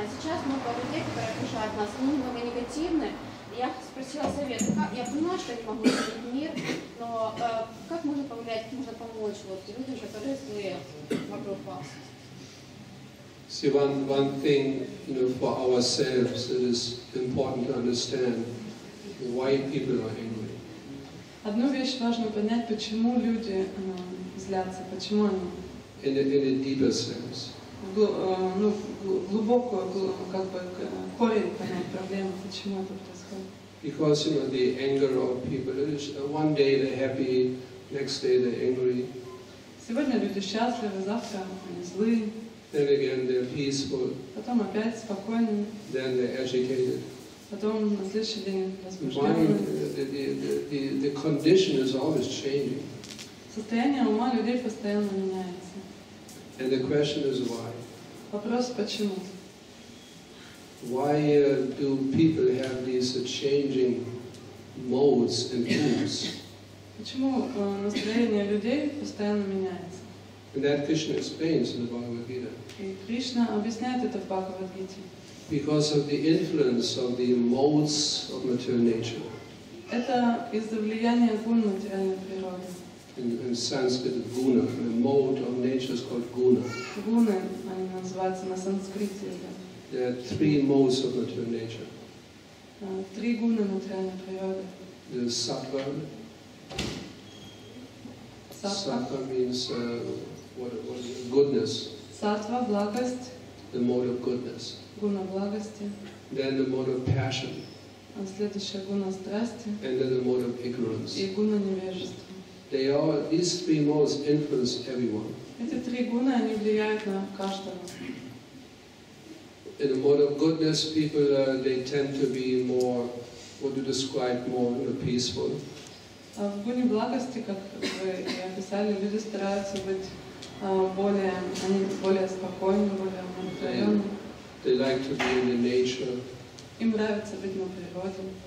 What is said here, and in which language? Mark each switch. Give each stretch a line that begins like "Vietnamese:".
Russian: А сейчас много людей, которые окружают нас, они немного негативны. Я спросила совет, я понимаю, что я не могу изменить мир, но как можно повлиять, как можно помочь вот людям, которые злые вокруг вас?
English: See, one thing, you know, for ourselves, it is important to understand why people are angry.
Russian: Одну вещь важно понять, почему люди злятся, почему они.
English: In a deeper sense.
Russian: Корень понять проблемы, почему это происходит.
English: Because, you know, the anger of people, is one day they're happy, next day they're angry.
Russian: Сегодня люди счастливы, завтра они злые.
English: Then again, they're peaceful.
Russian: Потом опять спокойные.
English: Then they're agitated.
Russian: Потом на следующий день возбужденные.
English: The condition is always changing.
Russian: Состояние ума людей постоянно меняется.
English: And the question is why?
Russian: Вопрос почему?
English: Why do people have these changing modes and moods?
Russian: Почему настроение людей постоянно меняется?
English: And that Krishna explains in the Bhagavad Gita.
Russian: Кришна объясняет это в Бхагавад Гите.
English: Because of the influence of the modes of material nature.
Russian: Это из-за влияния гун материальной природы.
English: In Sanskrit, guna, the mode of nature is called guna.
Russian: Guna, они называются на санскрите.
English: There are three modes of material nature.
Russian: Три гуна материальной природы.
English: The sattva.
Sanskrit: Sattva
English: means what is goodness.
Russian: Sattva, благость.
English: The mode of goodness.
Russian: Guna благости.
English: Then the mode of passion.
Russian: А следующая гуна страсти.
English: And then the mode of ignorance.
Russian: И гуна невежества.
English: They all, these three modes influence everyone.
Russian: Эти три гуны, они влияют на каждого.
English: In the mode of goodness, people they tend to be more, what you describe, more peaceful.
Russian: В гуне благости, как вы описали, люди стараются быть более, они более спокойны, более умиротворённы.
English: They like to be in the nature.
Russian: Им нравится быть на природе.